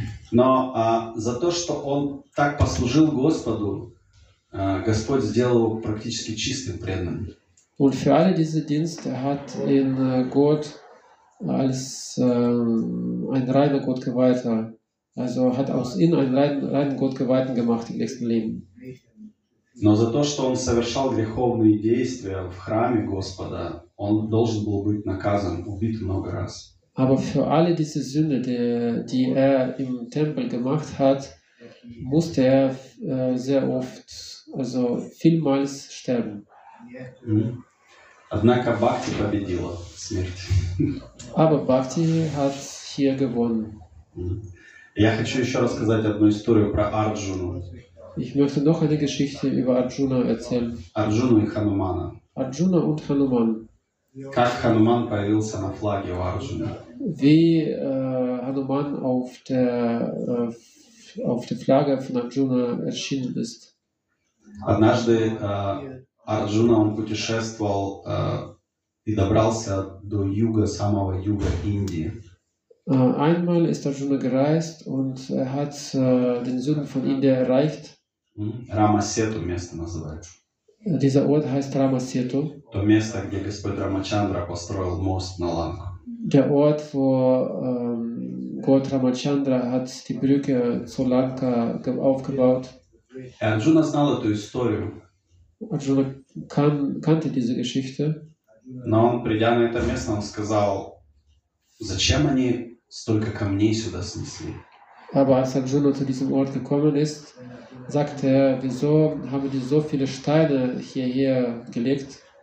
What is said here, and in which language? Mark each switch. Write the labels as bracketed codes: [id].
[ru] Но за то, что он так послужил Господу, Господь сделал его практически чистым преданным. [de] Und für alle diese Dienste hat ihn Gott als ein reiner Gott geweiht, also hat aus ihm einen reinen Gott geweihten gemacht im nächsten Leben. [ru] Но за то, что он совершал греховные действия в храме Господа, он должен был быть наказан, убит много раз. [de] Aber für alle diese Sünde, die er im Tempel gemacht hat, musste er sehr oft, also vielmals sterben. [ru] Однако Бхакти победила смерть. [de] Aber Bhakti hat hier gewonnen. [ru] Я хочу еще рассказать одну историю про Арджуну. [de] Ich möchte noch eine Geschichte über Arjuna erzählen. [ru] Арджуну и Ханумана. [de] Арджуна und Хануман. [ru] Как Хануман появился на флаге у Арджуны? [de] Wie Hanuman auf der Flagge von Arjuna erschienen ist. [ru] Однажды Арджуна он путешествовал и добрался до юга, самого юга Индии. [de] Einmal ist Arjuna gereist und er hat den Süden von Indien erreicht. [ru] Рамасету место называется. [de] Dieser Ort heißt Рамасету. [ru] То место, где Господь Рамачандра построил мост на Ланку. [de] Der Ort, wo Gott Рамачандра hat die Brücke zur Lanka aufgebaut. [ru] Арджуна знал эту историю. [de] Арджуна kannte diese Geschichte. [ru] Но он, придя на это место, он сказал, зачем они столько камней сюда снесли? [de] Aber als Arjuna zu diesem Ort gekommen ist, sagte er, wieso haben die so viele Steine hierher gelegt?